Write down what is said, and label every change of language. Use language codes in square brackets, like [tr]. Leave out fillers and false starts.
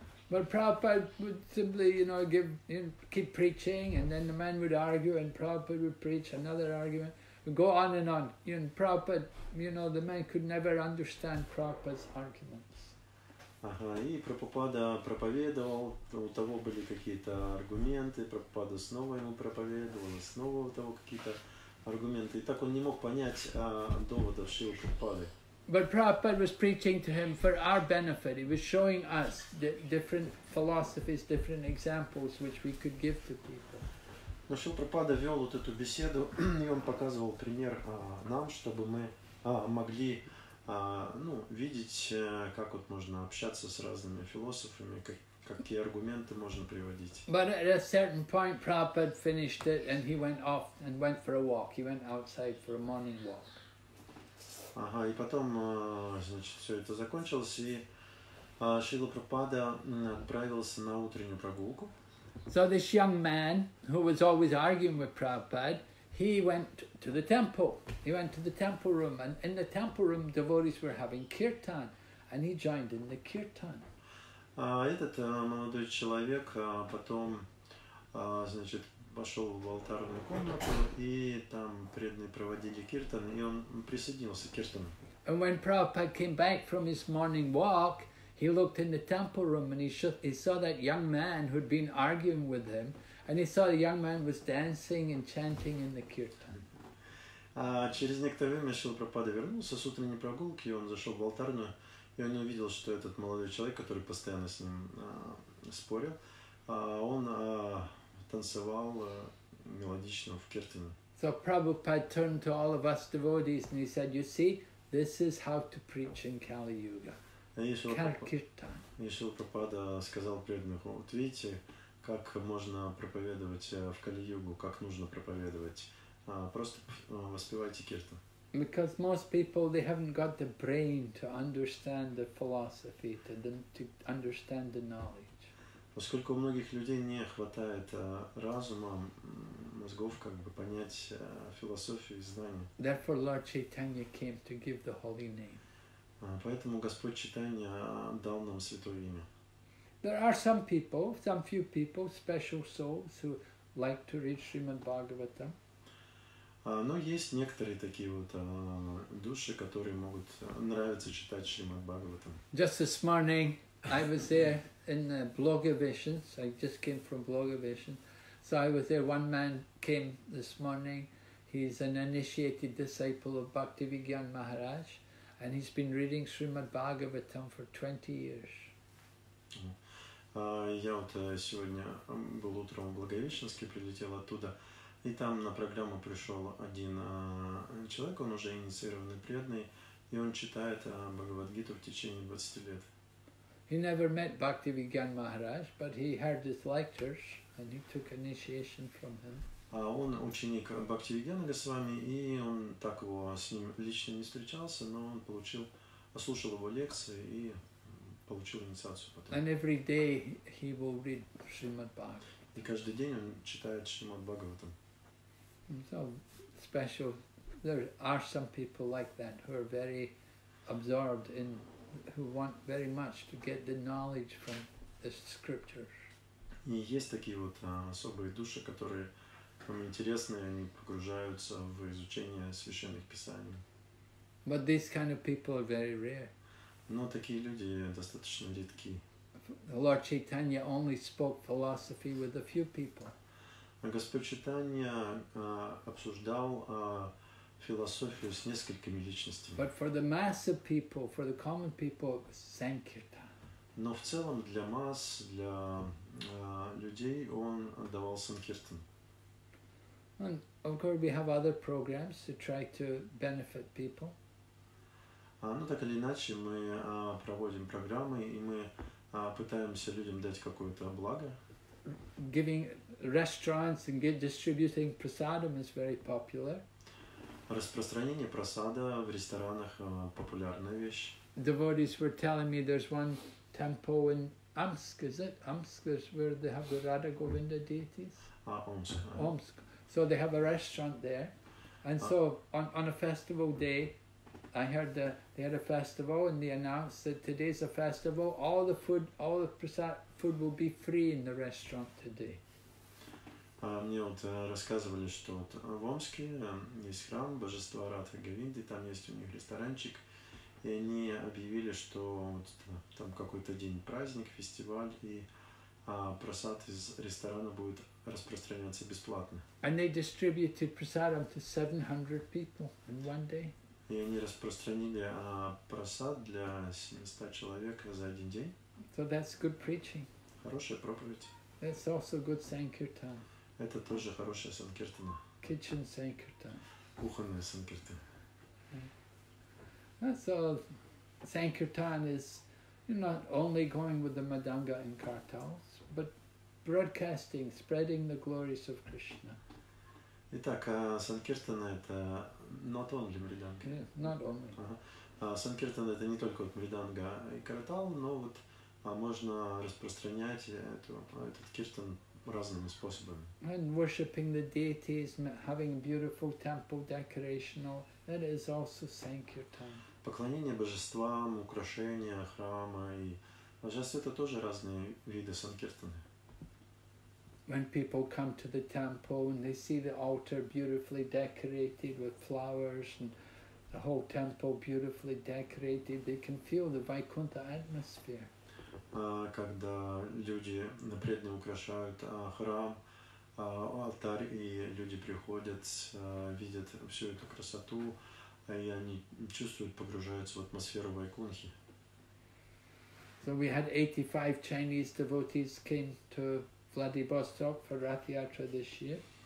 [en] But Prabhupada would simply, you know, keep preaching, and then the man would argue, and Prabhupada would preach another argument, would go on and on. And Prabhupada, you know, the man could never understand Prabhupada's arguments. [ru] Ага, и Прабхупада проповедовал, у того были какие-то аргументы, Прабхупада снова ему проповедовал, снова у того какие-то аргументы. И так он не мог понять доводов Шрилы Прабхупады. [en] But Prabhupada was preaching to him for our benefit. He was showing us different philosophies, different examples which we could give to people. [ru] Но Шрила Прабхупада вел вот эту беседу, и он показывал пример нам, чтобы мы могли видеть, как вот можно общаться с разными философами, какие аргументы можно приводить. [en] But at a certain point, Prabhupada finished it, and he went off and went for a walk. He went outside for a morning walk. [ru] Ага, и потом, значит, все это закончилось, и Шрила Прабхупада отправился на утреннюю прогулку. [en] So this young man, who was always arguing with Prabhupada, he went to the temple. He went to the temple room, and in the temple room, devotees were having kirtan, and he joined in the kirtan. [ru] Этот молодой человек потом, значит, пошел в алтарную комнату, и там преданные проводили киртан, и он присоединился к киртану. [en] And when Prabhupada came back from his morning walk, he looked in the temple room, and he saw that young man who'd been arguing with him, and he saw the young man was dancing and chanting in the kirtan. [ru] А через некоторое время Шрила Прабхупада вернулся с утренней прогулки, и он зашел в алтарную, и он увидел, что этот молодой человек, который постоянно с ним спорил, он танцевал мелодично в киртане. [en] So Prabhupada turned to all of us devotees and he said, "You see, this is how to preach in Kali Yuga." Kirtan. [ru] И Шрила Прабхупада сказал преданным: "Вот видите, как можно проповедовать в Кали Югу, как нужно проповедовать. Просто воспевайте киртан." [en] Because most people, they haven't got the brain to understand the philosophy, to understand the knowledge. [ru] Поскольку у многих людей не хватает разума, мозгов, как бы понять философию и знания. [en] Therefore, Lord Chaitanya came to give the holy name. [ru] Поэтому Господь Читания дал нам святое имя. [en] There are some people, some few people, special souls who like to read Srimad Bhagavatam? [ru] Но есть некоторые такие вот души, которые могут нравиться читать Шримад Бхагаватам. [en] Just this morning, I was there in the Bloga Visions. I just came from Bloga Vision. So I was there, one man came this morning. He's an initiated disciple of Bhaktivigyan Maharaj. And he's been reading Srimad Bhagavatam for 20 years. [ru] Я вот сегодня был утром в Благовещенске, прилетел оттуда. И там на программу пришел один человек, он уже инициированный преданный, и он читает Бхагавад-гиту в течение 20 лет. [en] He never met Bhaktivigyan Maharaj, but he heard his lectures and he took initiation from him. [ru] А он ученик Бхактивигьяна Госвами, и он так его с ним лично не встречался, но он получил, послушал его лекции и получил инициацию потом. [en] And every day he will read Srimad Bhagavatam. [ru] И каждый день он читает Шримад Бхагаватам. [en] So special. There are some people like that who are very absorbed in, who want very much to get the knowledge from the scriptures. [ru] И есть такие вот особые души, которые вам интересны, они погружаются в изучение священных писаний. [en] But these kind of people are very rare. [ru] Но такие люди достаточно редки. [en] Lord Chaitanya only spoke philosophy with a few people. [ru] Господь Читания обсуждал философию с несколькими личностями. [en] But for the mass of people, for the common people, Sankirtan. [ru] Но в целом для масс, для людей он давал Санкиртан. [en] And of course we have other programs to try to benefit people. [ru] Ну так или иначе мы проводим программы и мы пытаемся людям дать какое-то благо. [en] Giving restaurants and distributing prasadam is very popular. [ru] Распространение прасада в ресторанах популярная вещь. [en] Devotees were telling me there's one temple in Omsk, is it? Omsk is where they have the Radha Govinda deities. Omsk. So they have a restaurant there. And so on a festival day, I heard that they had a festival and they announced that today's a festival, all the food, all the prasad food will be free in the restaurant today. [ru] Мне вот рассказывали, что вот в Омске есть храм Божества Радха Говинды, там есть у них ресторанчик, и они объявили, что вот там какой-то день праздник, фестиваль, и прасад из ресторана будет распространяться бесплатно. [en] And they distributed prasadam to 700 people in one day. [ru] И они распространили прасад для 700 человек за один день. [en] So that's good preaching. [ru] Хорошая проповедь. [en] That's also good sankirtan. [ru] Это тоже хорошая санкиртана. [en] Kitchen sankirtan. [ru] Кухонная санкиртана. [en] Yeah. So sankirtan is not only going with the madanga and kartals, but broadcasting, spreading the glories of Krishna. [ru] Итак, санкиртана это [en] not only [ru] мриданга. [en] Yeah, not only. [ru] Санкиртана это не только вот мриданга и картал, но вот можно распространять этот киртан разными способами. [en] And worshipping the deities, having a beautiful temple decoration, that is also sankirtan. [ru] Поклонение божествам, украшения храма и божества это тоже разные виды санкиртаны. [en] When people come to the temple and they see the altar beautifully decorated with flowers and the whole temple beautifully decorated, they can feel the Vaikuntha atmosphere. [ru] Когда люди напредне украшают храм, алтарь, и люди приходят, видят всю эту красоту, и они чувствуют, погружаются в атмосферу Вайкунхи. [en] So we had 85 Chinese devotees came to Vladivostok for Rath Yatra this year.